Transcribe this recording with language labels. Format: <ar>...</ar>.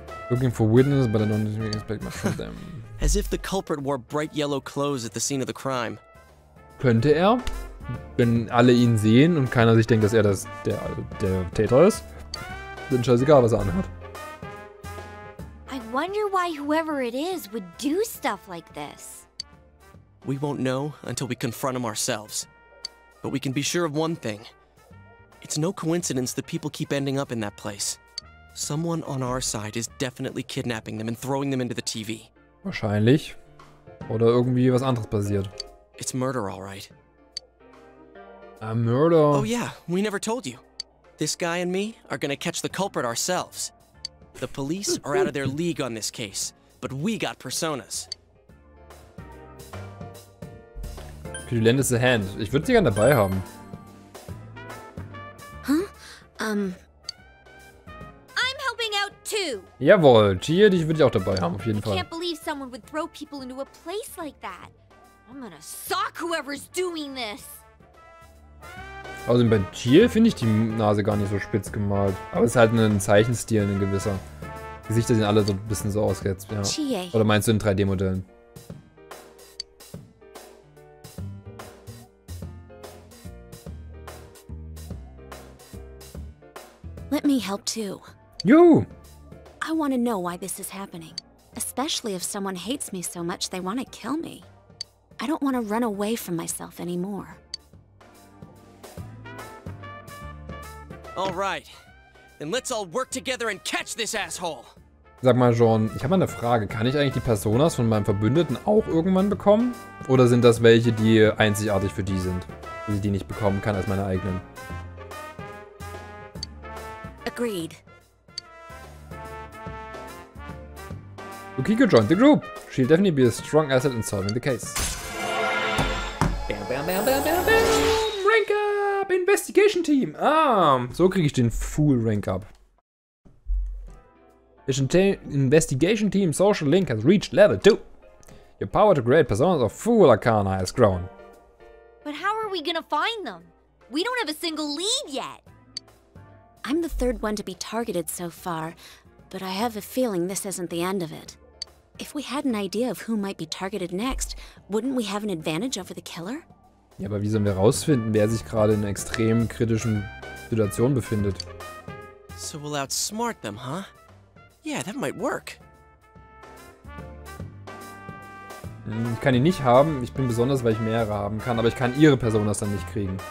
<en>Looking for witnesses, but I don't think we can expect much from them. As if the culprit wore bright yellow clothes at the scene of the crime.</en> <de>Könnte er, wenn alle ihn sehen und keiner sich denkt, dass er das der Täter ist, dann scheißegal, was er anhat.</de> <en>I wonder why whoever it is would do stuff like this. We won't know until we confront him ourselves. But we can be sure of one thing. It's no coincidence that people keep ending up in that place. Someone on our side is definitely kidnapping them and throwing them into the TV.</en> <de>Wahrscheinlich. Oder irgendwie was anderes passiert.</de> <en>It's murder, all right. A murder? Oh yeah, we never told you. This guy and me are gonna catch the culprit ourselves. The police are out of their league on this case, but we got personas. Could you lend us a hand?</en> <de>Ich würde sie gerne dabei haben. Huh?</de> <en>I'm helping out too.</en> <de>Jawohl, Chie, dich würde ich auch dabei haben, auf jeden Fall.</de> <en>I can't believe someone would throw people into a place like that. I'm gonna sock whoever's doing this.</en> <de>Also bei Chie finde ich die Nase gar nicht so spitz gemalt. Aber es ist halt ein Zeichenstil, ein gewisser. Gesichter sehen alle so ein bisschen so aus jetzt, ja. Oder meinst du in 3D-Modellen?</de> <en>too. You! I want to know why this is happening. Especially if someone hates me so much they want to kill me. I don't want to run away from myself anymore. All right. Then let's all work together and catch this asshole.</en> <de>Sag mal, John, ich habe mal eine Frage. Kann ich eigentlich die Personas von meinem Verbündeten auch irgendwann bekommen? Oder sind das welche, die einzigartig für die sind? Dass ich die nicht bekommen kann als meine eigenen?</de> <en>Agreed. Yukiko joined the group. She'll definitely be a strong asset in solving the case. Bam, bam, bam, bam, bam, bam. Rank up! Investigation Team! Ah,</en> <de>so kriege ich den</de> <en>Full Rank up. Investigation Team Social Link has reached level 2. Your power to create personas of full arcana has grown. But how are we gonna find them? We don't have a single lead yet. I'm the third one to be targeted so far, but I have a feeling this isn't the end of it. If we had an idea of who might be targeted next, wouldn't we have an advantage over the killer?</en> <de>Ja, aber wie sollen wir rausfinden, wer sich gerade in einer extrem kritischen Situation befindet?</de> <en>So we'll outsmart them, huh? Yeah, that might work.</en> <de>Ich kann ihn nicht haben. Ich bin besonders, weil ich mehrere haben kann. Aber ich kann ihre Person das dann nicht kriegen.</de>